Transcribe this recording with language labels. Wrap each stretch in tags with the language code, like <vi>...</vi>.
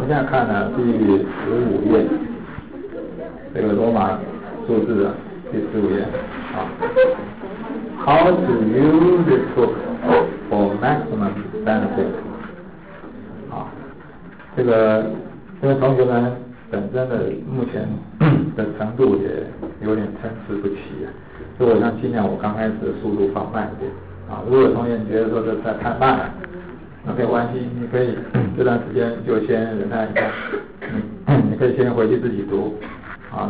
<zh>看呢，第十五页，这个罗马数字的第十五页啊。</zh> <en>How to use this book for maximum benefit？</en> <zh>啊，这位同学呢，本身的目前的程度也有点参差不齐，所以我想尽量我刚开始的速度放慢一点啊。如果同学你觉得说这太慢了，那没关系，你可以这段时间就先忍耐一下，你可以先回去自己读啊。</zh>